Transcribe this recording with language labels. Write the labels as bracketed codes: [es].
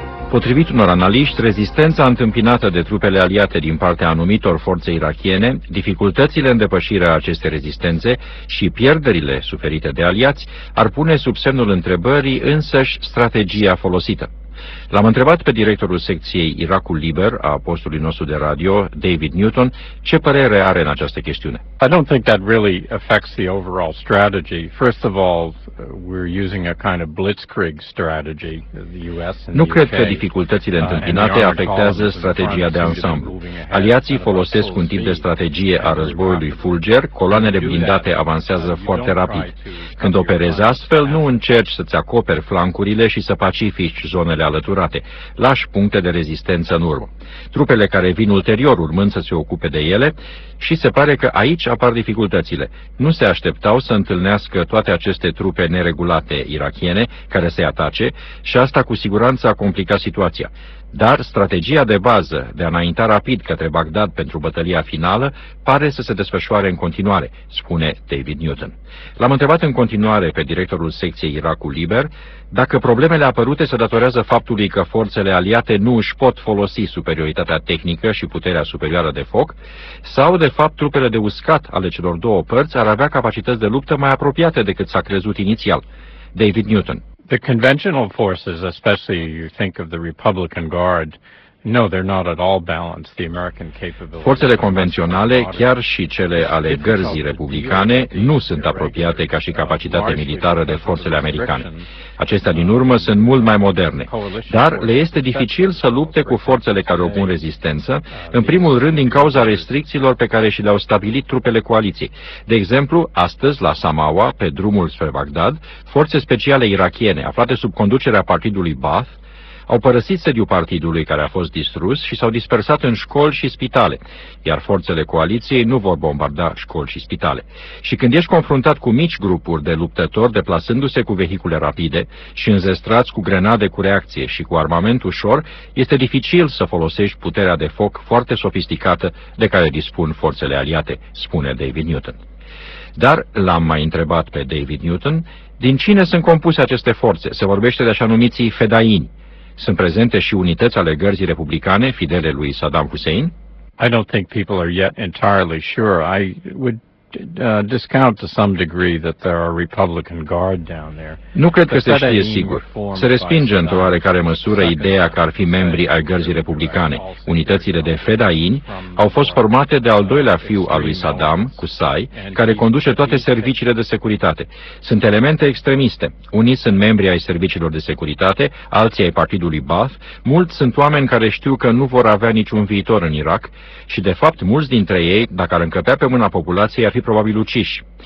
[ro] Potrivit unor analiști, rezistența întâmpinată de trupele aliate din partea anumitor forțe irachiene, dificultățile în depășirea acestei rezistențe și pierderile suferite de aliați ar pune sub semnul întrebării însăși strategia folosită. L-am întrebat pe directorul secției Irakul Liber a postului nostru de radio, David Newton, ce părere are în această chestiune. [en] I don't think that really affects the overall strategy. First of all, we're using a kind of blitzkrieg strategy, the US and the UK. [ro] Nu cred că dificultățile întâmpinate afectează strategia de ansamblu. Aliații folosesc un tip de strategie a războiului fulger, coloanele blindate avansează foarte rapid. Când operezi astfel, nu încerci să-ți acoperi flancurile și să pacifici zonele alăturate. Lași puncte de rezistență în urmă. Trupele care vin ulterior urmând să se ocupe de ele și se pare că aici apar dificultățile. Nu se așteptau să întâlnească toate aceste trupe neregulate irachiene care se atace și asta cu siguranță a complicat situația. Dar strategia de bază de a înainta rapid către Bagdad pentru bătălia finală pare să se desfășoare în continuare, spune David Newton. L-am întrebat în continuare pe directorul secției Irakul Liber dacă problemele apărute se datorează faptului că forțele aliate nu își pot folosi superioritatea tehnică și puterea superioară de foc, sau de fapt trupele de uscat ale celor două părți ar avea capacități de luptă mai apropiate decât s-a crezut inițial. David Newton. [en] The conventional forces, especially you think of the Republican Guard, no, they're not at all balanced. The American capabilities. [ro] Forțele convenționale, chiar și cele ale gărzii republicane, nu sunt apropiate ca și capacitate militară de forțele americane. Acestea din urmă sunt mult mai moderne, dar le este dificil să lupte cu forțele care opun rezistență, în primul rând din cauza restricțiilor pe care și le-au stabilit trupele coaliției. De exemplu, astăzi, la Samawa, pe drumul spre Bagdad, forțe speciale irachiene, aflate sub conducerea partidului Baath, au părăsit sediul partidului care a fost distrus și s-au dispersat în școli și spitale, iar forțele coaliției nu vor bombarda școli și spitale. Și când ești confruntat cu mici grupuri de luptători deplasându-se cu vehicule rapide și înzestrați cu grenade cu reacție și cu armament ușor, este dificil să folosești puterea de foc foarte sofisticată de care dispun forțele aliate, spune David Newton. Dar l-am mai întrebat pe David Newton, din cine sunt compuse aceste forțe? Se vorbește de așa-numiții fedaini. Sunt prezente și unități ale gărzii republicane, fidele lui Saddam Hussein? [en] I don't think people are yet entirely sure. I would discount to some degree that there are Republican Guard down there. [ro] Nu cred că se știe sigur. Se respinge într-o oarecare măsură ideea că ar fi membri ai gărzii republicane. Unitățile de fedaini au fost formate de al doilea fiu al lui Saddam, Qusay, care conduce toate serviciile de securitate. Sunt elemente extremiste. Unii sunt membri ai serviciilor de securitate, alții ai partidului Baath, mulți sunt oameni care știu că nu vor avea niciun viitor în Irak și, de fapt, mulți dintre ei, dacă ar încăpea pe mâna populației, ar fi probabil uciși.